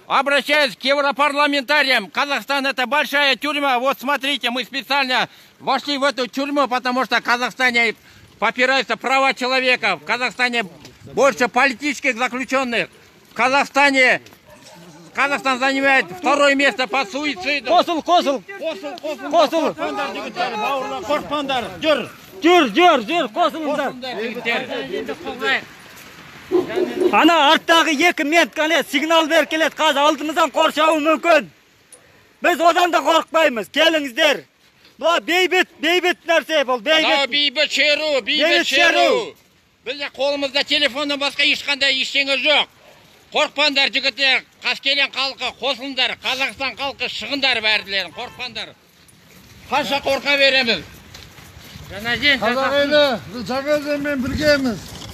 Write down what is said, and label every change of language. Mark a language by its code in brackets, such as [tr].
[ru] Обращаюсь к европарламентариям. Казахстан это большая тюрьма. Вот смотрите, мы специально вошли в эту тюрьму, потому что в Казахстане попираются права человека. В Казахстане больше политических заключенных. В Казахстане... Казахстан занимает второе место по суициду. [kk] Косыл, косыл. Косыл, косыл. Косыл. Корпандар, жігіттер, бауырлар. Корпандар, жүр. Жүр, жүр, жүр, қосылыңдар. Жігіттер. Ана арттағы екі мент қане сигнал бер келеді, қазір алдымыздан қоршауы мүмкін. Біз одан да қорықпаймыз. Келіңіздер. Бұл бейбіт, бейбіт нәрсе бұл, бейбіт. Мына бейбіт шеру, бейбіт шеру. Бізде қолымызда телефоннан басқа ешқандай ештеңе жоқ. Қорқпаңдар жігіттер, Қаскелең халқы қосылыңдар, Қазақстан халқы шығыңдар бәрілерін, қорқпаңдар. Қанша қорқа береміз. Жаназен қазақ елі, біз Жаназенмен біргеміз.